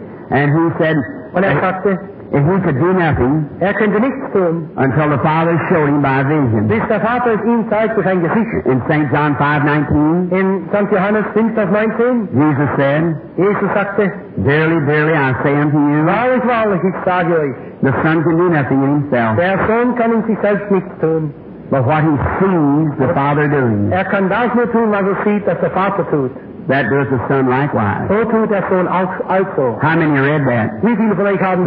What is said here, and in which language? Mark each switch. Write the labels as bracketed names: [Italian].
[English] And he said, if he could do nothing [German] könnte nichts tun, [English] until the Father showed him by a vision. [German] Bis der Vater ihm zeigte sein Gesicht. [English] In St. John 5:19. [German] In St. Johannes 5:19. [English] Jesus said, [German] Jesus sagte, [English] verily, verily, I say unto you, [German] wahrlich, wahrlich, ich sage euch, [English] the Son can do nothing in himself. [German] Der Sohn kann in sich selbst nichts tun. [English] But what he sees the Father doing. [German] Kann das nur tun, was er sieht, dass der Vater tut. [English] That doeth the Son likewise. [German] So tut der Sohn also. [English] How many read that? [German] Wie viele von euch haben